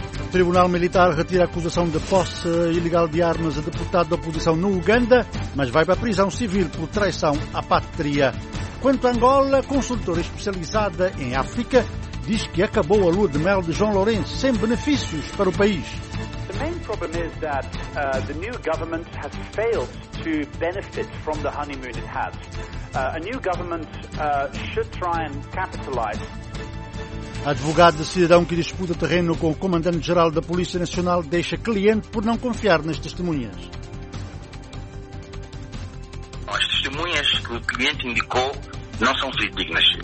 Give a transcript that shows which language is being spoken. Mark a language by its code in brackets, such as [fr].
[pt] Tribunal Militar retira a acusação de posse ilegal de armas a deputado da oposição no Uganda, mas vai para a prisão civil por traição à pátria. Quanto a Angola, consultora especializada em África diz que acabou a lua de mel de João Lourenço sem benefícios para o país. [en] The main problem is that the new government has failed to benefit from the honeymoon it has. A new government should try and capitalize. [pt] Advogado de cidadão que disputa terreno com o comandante-geral da Polícia Nacional deixa cliente por não confiar nas testemunhas. As testemunhas que o cliente indicou não são fidedignas.